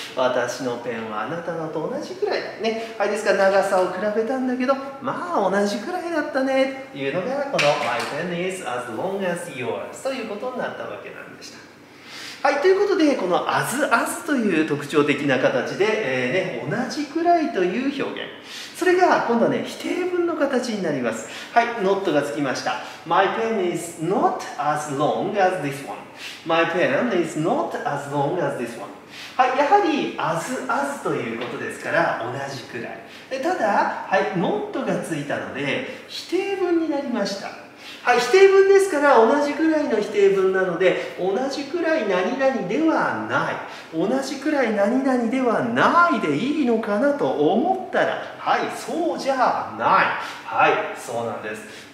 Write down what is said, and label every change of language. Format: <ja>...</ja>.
<ja>私のペンはあなたのと同じくらいね。はい、ですから長さを比べたんだけど、まあ同じくらいだったねというのが、この</ja> <en>My pen is as long as yours</en> <ja>ということになったわけなんでした。はい、ということで、この as as という特徴的な形で、ね、同じくらいという表現、それが今度はね、否定文の形になります。はい、 not がつきました。</ja> <en>My pen is not as long as this one。 My pen is not as long as this one。</en> <ja>はい、やはり as as ということですから同じくらい、ただ、はい、not がついたので否定文になりました。はい、否定文ですから、同じくらいの否定文なので、同じくらい何々ではない、同じくらい何々ではないでいいのかなと思ったら、はい、そうじゃない、はい、そうなんです。</ja>